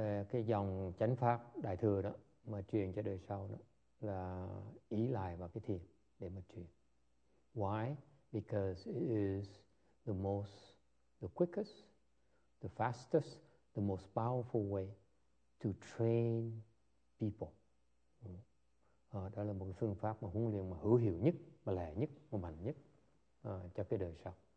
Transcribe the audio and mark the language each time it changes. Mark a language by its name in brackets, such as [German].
[Vietnamese] Cái dòng chánh pháp đại thừa đó mà truyền cho đời sau đó là ý lại vào cái thiền để mà truyền. [English] Why? Because it is the most, the quickest, the fastest, the most powerful way to train people. [Vietnamese] Đó là một phương pháp mà huấn luyện mà hữu hiệu nhất, mà lẹ nhất, mà mạnh nhất cho cái đời sau.